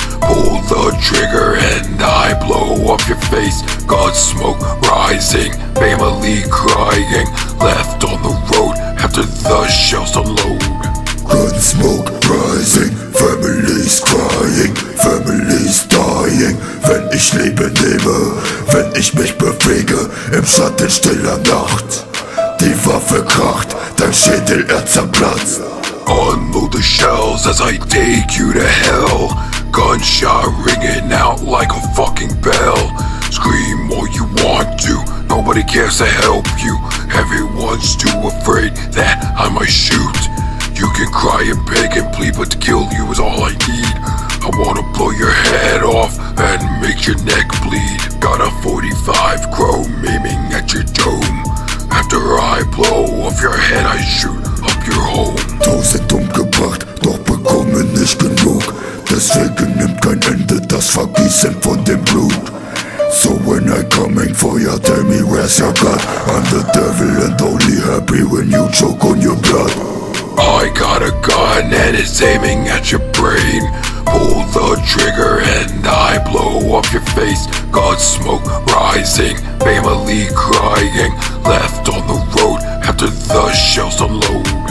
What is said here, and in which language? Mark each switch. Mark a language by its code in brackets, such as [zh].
[en] Pull the trigger and I blow up your face. Got smoke rising, family crying, left on the road after the shells unload. Gun smoke rising, family's crying, family's dying. [de] Wenn ich Liebe nehme, wenn ich mich bewege im Schatten stiller Nacht, die Waffe kracht, dein Schädel er zerplatzt. [en] Unload the shells as I take you to hell. Gunshot ringing out like a fucking bell. Scream all you want to, nobody cares to help you. Everyone's too afraid that I might shoot. You can cry and beg and plead, but to kill you is all I need. I wanna blow your head off and make your neck bleed. Got a 45 chrome aiming at your dome. After I blow off your head, I shoot up your home. [de] Tausend umgebracht, doch bekommen nicht genug. Deswegen nimmt kein Ende das Vergießen von dem Blut. [en] So when I coming for ya, tell me where's your God. I'm the devil and only happy when you choke on your blood. I got a gun and it's aiming at your brain. Pull the trigger and I blow up your face. Got smoke rising, family crying, left on the road after the shells unload.